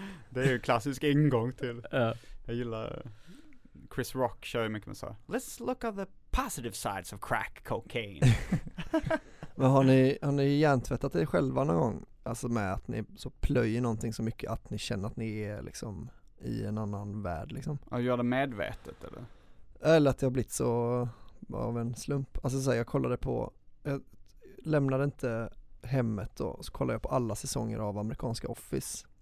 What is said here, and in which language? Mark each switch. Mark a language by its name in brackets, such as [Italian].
[Swedish] Det är ju en klassisk ingång till. Ja. Jag gillar Chris Rock kör ju mycket med så. [English] Let's look at the positive sides of crack cocaine. [Swedish] Men har ni hjärntvättat er själva någon gång? Alltså med att ni så plöjer någonting så mycket att ni känner att ni är liksom i en annan värld liksom? Ja, gör det medvetet eller? Eller att det har blivit så av en slump. Alltså så här, jag kollade på, jag lämnade inte hemmet då, så kollade jag på alla säsonger av amerikanska Office.